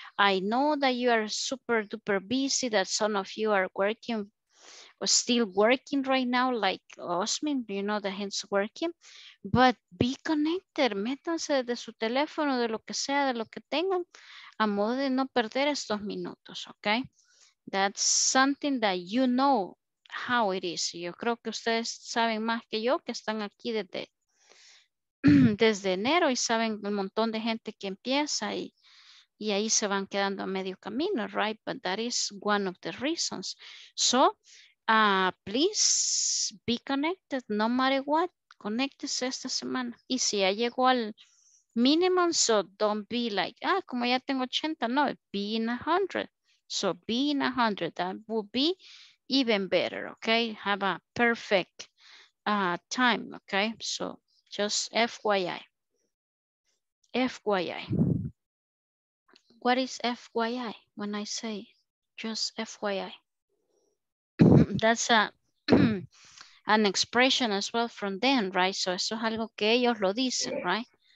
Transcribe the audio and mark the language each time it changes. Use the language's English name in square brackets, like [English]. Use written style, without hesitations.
[English] I know that you are super duper busy, that some of you are working, or still working right now, like Osmin, you know, that he's working. But be connected, [Spanish] métanse desde su teléfono, de lo que sea, de lo que tengan, a modo de no perder estos minutos, ¿ok? [English] That's something that you know how it is. [Spanish] Yo creo que ustedes saben más que yo, que están aquí desde enero y saben un montón de gente que empieza y ahí se van quedando a medio camino, right? [English] But that is one of the reasons. So, please be connected, no matter what. [Spanish] Conéctese esta semana. Y si ya llegó al mínimo, [English] so don't be like, [Spanish] ah, como ya tengo 80. [English] No, be in 100. So be in 100. That would be even better, okay? Have a perfect time, okay? So Just FYI. FYI. What is FYI when I say just FYI? That's a an expression as well from them, right? [Spanish] So eso es algo que ellos lo dicen, right?